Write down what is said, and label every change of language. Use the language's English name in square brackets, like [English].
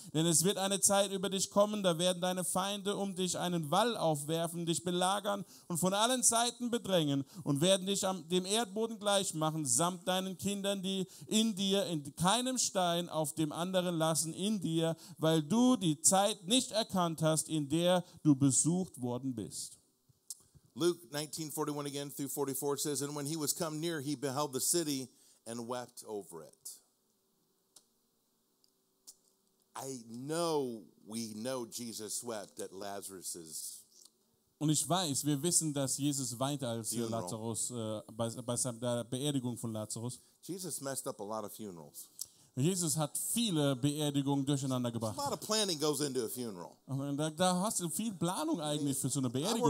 [German] denn es wird eine Zeit über dich kommen, da werden deine Feinde um dich einen Wall aufwerfen, dich belagern und von allen Seiten bedrängen und werden dich dem Erdboden gleich machen, samt deinen Kindern, die in dir in keinem Stein auf dem anderen lassen, in dir, weil du die Zeit nicht erkannt hast, in der du besucht worden bist. [English] Luke 19:41 again through 44 says, and when he was come near, he beheld the city and wept over it. I know we know Jesus wept at Lazarus's. [German] Und ich weiß, wir wissen, dass Jesus weinte als Lazarus bei der Beerdigung von Lazarus. [English] Jesus messed up a lot of funerals. [German] Jesus hat viele Beerdigungen durcheinander gebracht. [English] A lot of planning goes into a funeral. [German] Da hast du viel Planung eigentlich für so eine Beerdigung.